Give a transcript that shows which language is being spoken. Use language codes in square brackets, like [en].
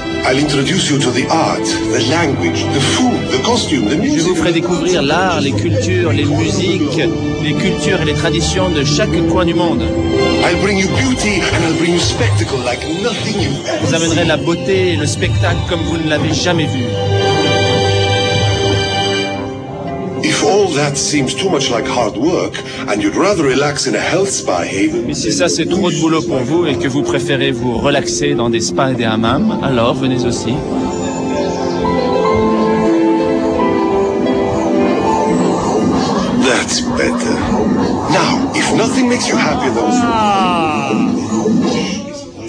[en] I'll introduce you to the art, the language, the food, the costume, the music. [fr] Je vous ferai découvrir l'art, les cultures, les musiques, les cultures et les traditions de chaque coin du monde. [en] I'll bring you beauty and I'll bring you spectacle like nothing you've ever seen. [fr] Vous amènerez la beauté et le spectacle comme vous ne l'avez jamais vu. [en] If all that seems too much like hard work and you'd rather relax in a health spa haven. [fr] Mais si ça c'est trop de boulot pour vous et que vous préférez vous relaxer dans des spas et des hammams, alors venez aussi. [en] That's better. Now, if nothing makes you happy though.